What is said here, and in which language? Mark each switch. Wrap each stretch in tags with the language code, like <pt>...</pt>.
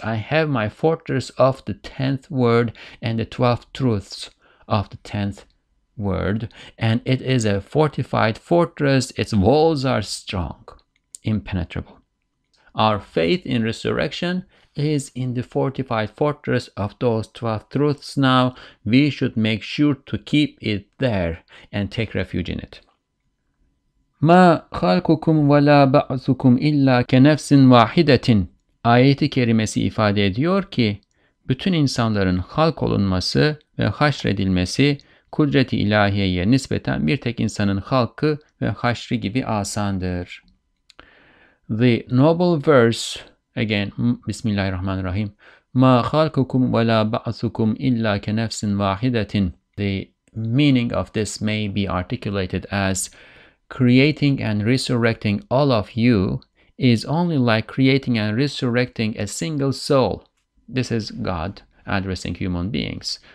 <en>I have my fortress of the 10th word and the 12 truths of the 10th word, and it is a fortified fortress. Its walls are strong, impenetrable. Our faith in resurrection is in the fortified fortress of those 12 truths now. We should make sure to keep it there and take refuge in it.</en> <ar>مَا خَلْقُكُمْ وَلَا بَعْثُكُمْ إِلَّا كَنَفْسٍ وَاحِدَةٍ</ar> <tr>Ayet-i kerimesi ifade ediyor ki, bütün insanların halk olunması ve haşredilmesi kudret-i ilahiyeye nispeten bir tek insanın halkı ve haşri gibi asandır.</tr> <en>The noble verse, again, Bismillahirrahmanirrahim.</en> <ar>مَا خَلْقُكُمْ وَلَا بَعْثُكُمْ إِلَّا كَنَفْسٍ وَاحِدَةٍ</ar> <en>The meaning of this may be articulated as creating and resurrecting all of you is only like creating and resurrecting a single soul. This is God addressing human beings</en>